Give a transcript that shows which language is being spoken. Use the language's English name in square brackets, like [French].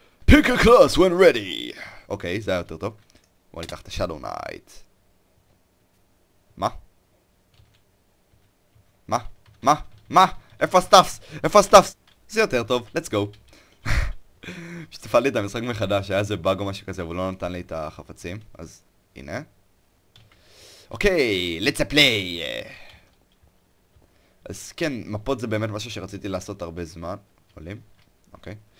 [English] Pick a class when ready! [Hebrew] אוקיי, זה היה יותר טוב. בוא ניקח את השאדו נייט. מה? מה? מה? מה? איפה הסטאפס? איפה הסטאפס? זה יותר טוב, [English] let's go. [Hebrew] שתפעל לי את המשחק מחדש, היה איזה באג או משהו כזה, והוא לא נתן לי את החפצים, אז הנה. אוקיי, [English] let's play! [Hebrew] אז כן, מפות זה באמת משהו שרציתי לעשות הרבה זמן. עולים? אוקיי.